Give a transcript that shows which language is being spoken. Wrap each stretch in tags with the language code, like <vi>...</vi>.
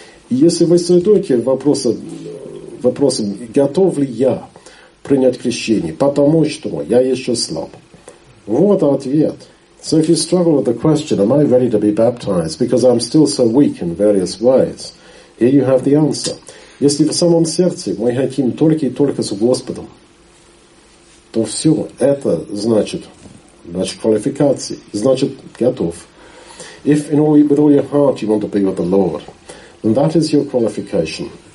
<ru>И если вы задаете вопросом, готов ли я принять крещение, потому что я еще слаб. Вот ответ.</ru> <en>So if you struggle with the question, am I ready to be baptized because I'm still so weak in various ways? Here you have the answer.</en> <ru>Если в самом сердце мы хотим только и только с Господом, то все, это значит квалификация, значит готов.</ru> <en>If in all, with all your heart you want to be with the Lord, then that is your qualification.</en>